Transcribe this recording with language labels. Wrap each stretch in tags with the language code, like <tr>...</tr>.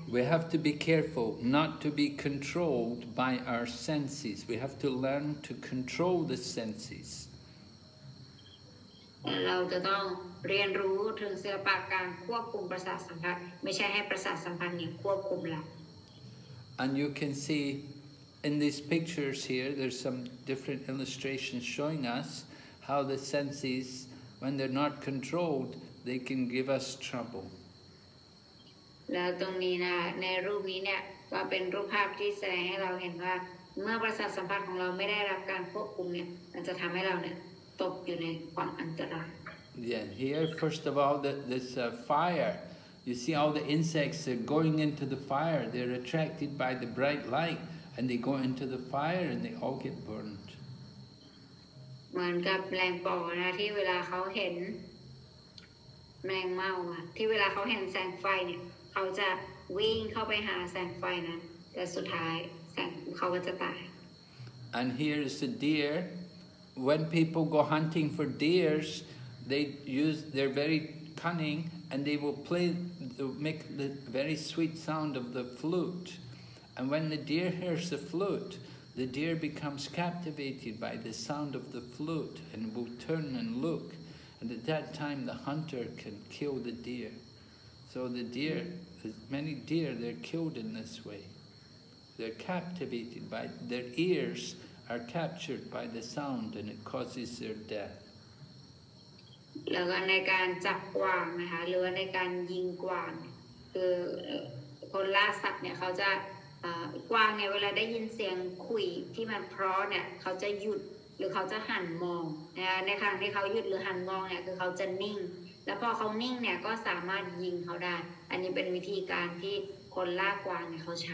<en>We have to be careful not to be controlled by our senses. We have to learn to control the senses.</en> <th>เราจะต้องเรียนรู้ถึงศิลปะการควบคุมประสาทสัมผัสไม่ใช่ให้ประสาทสัมผัสนี้ควบคุมเรา</th> <en>And you can see in these pictures here, there's some different illustrations showing us how the senses. When they're not controlled, they can give us trouble.</en> <th>แล้วตรงนี้นะในรูปนี้เนี่ยก็เป็นรูปภาพที่แสดงให้เราเห็นว่าเมื่อประสาทสัมผัสของเราไม่ได้รับการควบคุมเนี่ยมันจะทำให้เราเนี่ยตกอยู่ในความอันตราย</th> <en>Yeah, here first of all, this fire. You see all the insects are going into the fire. They're attracted by the bright light, and they go into the fire, and they all get burned.</en> <th>เหมือนกับแมลงปอนะที่เวลาเขาเห็นแมลงเมาอะที่เวลาเขาเห็นแสงไฟเนี่ยเขาจะวิ่งเข้าไปหาแสงไฟนะแต่สุดท้ายแสงเขาก็จะตาย</th> <en>And here is a deer. When people go hunting for deers, they use their very cunning and they will play, make the very sweet sound of the flute. And when the deer hears the flute. The deer becomes captivated by the sound of the flute and will turn and look. And at that time, the hunter can kill the deer. So the deer, many deer, they're killed in this way. They're captivated by, their ears are captured by the sound and it causes their death.</en> <th>แล้วในการจับกวางนะคะหรือว่าในการยิงกวางคือคนล่าสัตว์เนี่ยเขาจะกวางเนี่ยเวลาได้ยินเสียงขุยที่มันเพราะเนี่ยเขาจะหยุดหรือเขาจะหันมองนะในทางที่เขาหยุดหรือหันมองเนี่ยคือเขาจะนิ่งแล้วพอเขานิ่งเนี่ยก็สามารถยิงเขาได้อันนี้เป็นวิธีการที่คนล่ากวางเนี่ยเขาใช</th>